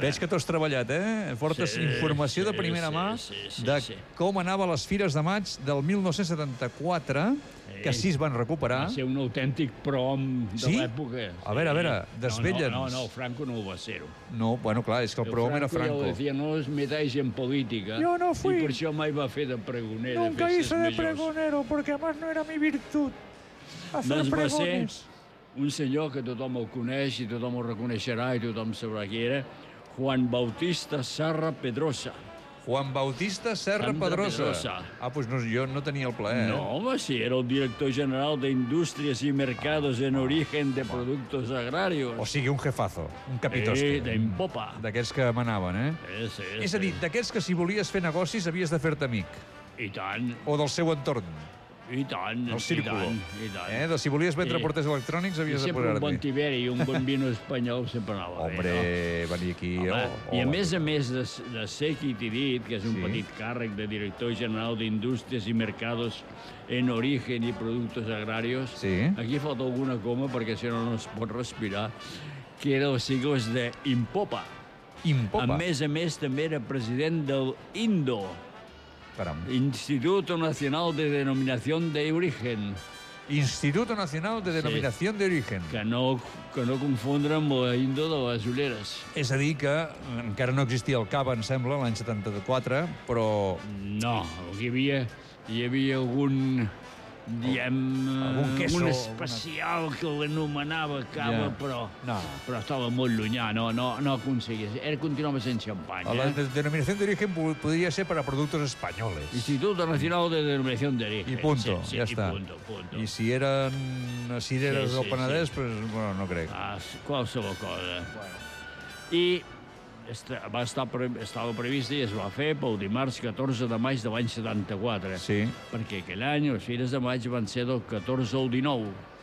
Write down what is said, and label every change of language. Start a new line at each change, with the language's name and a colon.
Catalan: Veig que t'ho has treballat, eh? Portes informació de primera mà de com anava les fires de maig del 1974... que sí es van recuperar. Va ser un autèntic prohom de l'època. A veure, desvella'ns. No, el Franco no ho va ser-ho. No, bueno, clar, és que el prohom era Franco.
Spanish: El Franco ja ho decía, no es metáis en política. Yo no fui.
Catalan: I per això mai va fer de pregoner.
Spanish: Nunca hice de pregonero, porque además no era mi virtud.
Catalan: Doncs va ser un senyor que tothom el coneix i tothom el reconeixerà i tothom sabrà qui era, Juan Bautista Serra Pedrosa. Juan Bautista Serra Pedrosa. Ah, doncs no, jo no tenia el plaer. No, home, sí, era el director general de Indústries i Mercados en Origen de Productos Agrarios. O sigui, un jefazo, un capitoste. Sí, de impopa. D'aquests que manaven, eh? Sí, és a dir, d'aquests que si volies fer negocis havies de fer-te amic. I tant. O del seu entorn. I tant.
Spanish: El círculo.
Catalan: I tant. De si volies vendre portes electrònics havies de posar-te. I sempre un bon tiberi i un bon vino espanyol sempre anava bé.
Spanish: Hombre,
Catalan: no? Venir aquí... A més de ser qui t'he dit, que és un petit càrrec de director general d'Indústries i Mercados en Origen i Productos Agrarios, aquí falta alguna coma perquè si no es pot respirar, que era el sigles de Impopa. Impopa. A més també era president del INDO. Param.
Spanish: Instituto Nacional de Denominación de Origen. Instituto Nacional de Denominación de Origen.
Catalan: Que no confondre amb la Indo de les Ulleres. És a dir, que encara no existia el CAP, em sembla, l'any 74, però... No, hi havia algun... Diem... Algun queso... Un especial que l'anomenava cava, però estava molt llunyà, no aconseguia. Era continuava sent xampanya. La denominació d'origen podria ser per a productes espanyols.
Spanish: Instituto Nacional de Denominación de Origen.
Catalan: I punto, sí, ja està.
Spanish: Punto.
Catalan: I si eren cireres del Penedès, però no crec. Qualsevol cosa. I estava prevista i es va fer pel dimarts 14 de maig de l'any 74. Sí. Perquè aquell any les fires de maig van ser del 14 al 19.